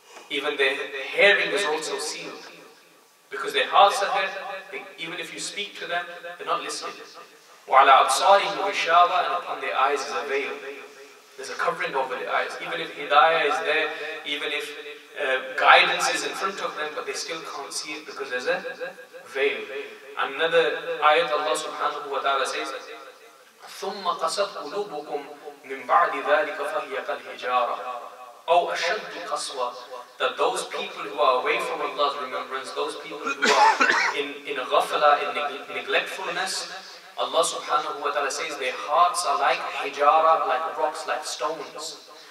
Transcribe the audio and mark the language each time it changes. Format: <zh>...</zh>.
<en>Even their hearing is also sealed. Because their hearts are dead, even if you speak to them, they're not listening.</en> <ar>وَعَلَىٰ أَبْصَارِهِمْ وَغِشَاوَىٰ,</ar> <en>and upon their eyes is a veil. There's a covering over their eyes. Even if hidayah is there, even if guidance is in front of them, but they still can't see it because there's a veil. Another ayat Allah subhanahu wa ta'ala says,</en> <ar>ثُمَّ قَسَتْ قُلُوبُكُمْ مِنْ بَعْدِ ذَٰلِكَ فَهِيَ كَالْهِجَارَةِ أَوْ أَشَدُّ قَسْوَةً.</ar> <en>That those people who are away from Allah's remembrance, those people who are in ghafla, in neglectfulness, Allah subhanahu wa ta'ala says their hearts are like hijara, like rocks, like stones.</en>